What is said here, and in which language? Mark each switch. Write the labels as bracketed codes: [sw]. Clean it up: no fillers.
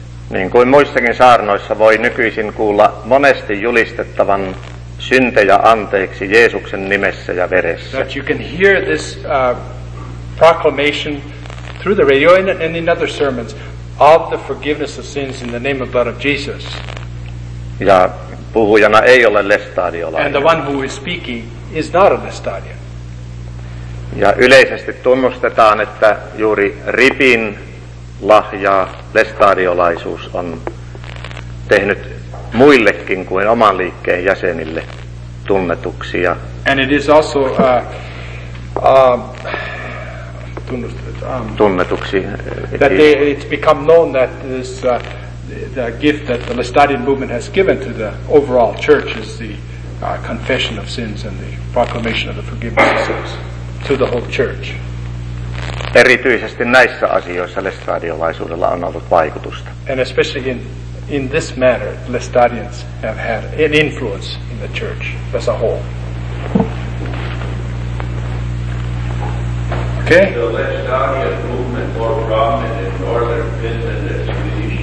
[fi] Niin kuin muissakin saarnoissa voi nykyisin kuulla monesti julistettavan syntejä anteeksi Jeesuksen nimessä ja veressä. [en] That you can hear this proclamation through the radio and in other sermons of the forgiveness of sins in the name and blood of Jesus. [fi] Ja puhujana ei ole lestadiolainen. [en] And the one who is speaking is not a lestadian. [fi] Ja yleisesti tunnustetaan, että juuri ripin lahja lestadiolaisuus on tehnyt muillekin kuin oman liikkeen jäsenille tunnetuksi. [en] And it is also [fi] tunnetuksi. [en] That they, it's become known that this the gift that the Lestadian movement has given to the overall church is the confession of sins and the proclamation of the forgiveness of sins to the whole church. [fi] Erityisesti näissä asioissa lestadiolaisuudella on ollut vaikutusta. [en] And especially in this matter, Lestadians have had an influence in the church as a whole. Okay? The Lestadian movement more prominent in northern Finland than Sweden.